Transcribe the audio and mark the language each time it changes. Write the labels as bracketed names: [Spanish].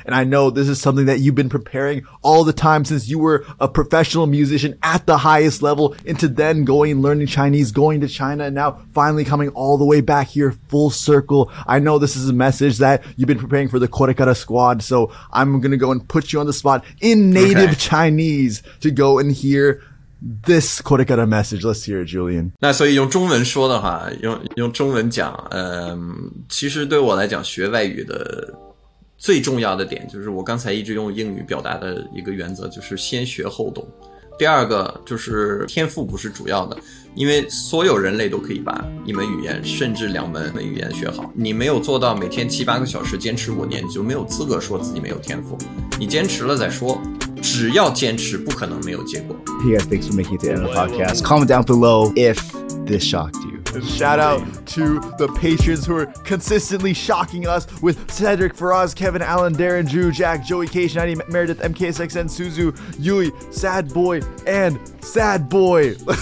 [English] And I know this is something that you've been preparing all the time since you were a professional musician at the highest level into then going and learning Chinese, going to China, and now finally coming all the way back here full circle. I know this is a message that you've been preparing for the Korekara squad. So I'm going to go and put you on the spot in native Chinese to go and hear this Kodakata message? Let's hear it, Julian. [Chinese] 那所以用中文说的话，用中文讲，其实对我来讲，学外语的最重要的点，就是我刚才一直用英语表达的一个原则，就是先学后懂。第二个就是天赋不是主要的，因为所有人类都可以把一门语言甚至两门语言学好，你没有做到每天七八个小时坚持五年，就没有资格说自己没有天赋，你坚持了再说，只要坚持不可能没有结果。 [English] Hey guys, thanks for making it to the end of the podcast. Comment down below if this shocked you. Shout out to the patrons who are consistently shocking us with Cedric, Faraz, Kevin, Alan, Darren, Drew, Jack, Joey, K, Shani, Meredith, MKSXN, Suzu, Yui, Sad Boy, and Sad Boy.